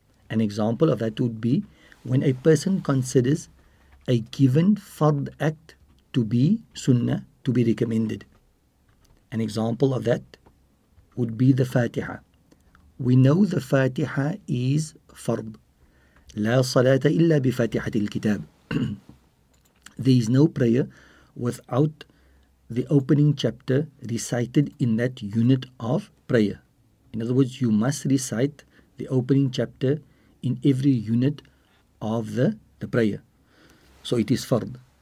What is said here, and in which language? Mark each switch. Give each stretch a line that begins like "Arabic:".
English: An example of that would be when a person considers a given fard act to be sunnah, to be recommended. An example of that would be the Fatiha. We know the Fatiha is fard.
Arabic: لا صلاة إلا بفاتحة الكتاب.
English: There is no prayer without the opening chapter recited in that unit of prayer. In other words, you must recite the opening chapter in every unit of the prayer. So it is fard.